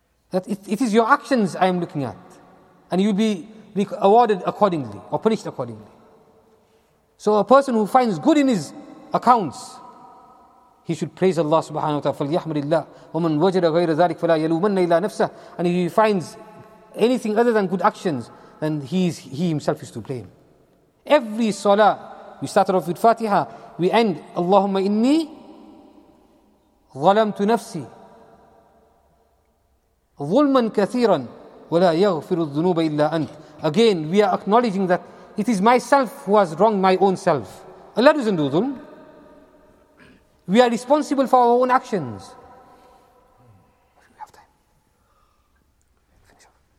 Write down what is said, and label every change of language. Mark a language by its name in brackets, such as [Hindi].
[English] That it is your actions I am looking at. And you'll be awarded accordingly or punished accordingly. So a person who finds good in his accounts, he should praise Allah subhanahu wa ta'ala. [Arabic] فَلْيَحْمَدِ اللَّهِ وَمَنْ وَجَدَ غَيْرَ ذَلِكَ فَلَا يَلُومَنَّ إِلَّا نَفْسَهُ. [English] And if he finds anything other than good actions, then he himself is to blame. Every salah, we started off with Fatiha, we end, [Arabic] اللَّهُمَّ إِنِّي ظَلَمْتُ نَفْسِي ظُلْمًا كَثِيرًا وَلَا يَغْفِرُ الذُّنُوبَ إِلَّا أَنْتَ. [English] Again, we are acknowledging that it is myself who has wronged my own self. Allah doesn't do dhulm. We are responsible for our own actions. We have time. Finish up.